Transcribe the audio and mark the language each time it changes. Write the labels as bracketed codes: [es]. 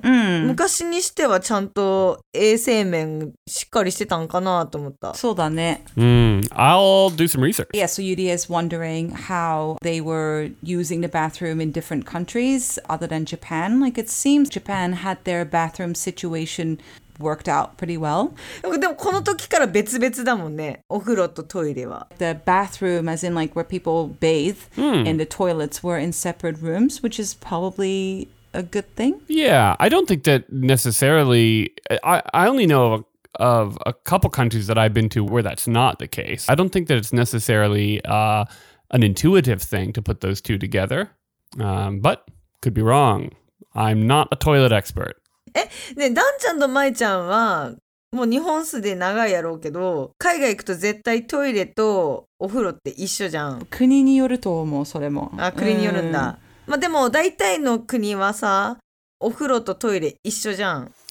[ja] うん、昔にしてはちゃんと衛生面しっかりしてたんかなと思ったそうだね、 [en] うん、I'll do some research Yeah, so Yuri is wondering how they were using the bathroom in different countries other than Japan Like it seems Japan had their bathroom situationworked out pretty well. [ja] でもこの時から別々だもんね。お風呂とトイレは。 [en] The bathroom, as in like where people bathe, and the toilets were in separate rooms, which is probably a good thing. Yeah, I don't think that necessarily... I only know of a couple countries that I've been to where that's not the case. I don't think that it's necessarily an intuitive thing to put those two together. But could be wrong. I'm not a toilet expert. [ja] え、ね、ダンちゃんとマイちゃんはもう日本住んで長いやろうけど海外行くと絶対トイレとお風呂って一緒じゃん国によると思うそれもあ国によるんだ、まあ、でも大体の国はさお風呂とトイレ一緒じゃん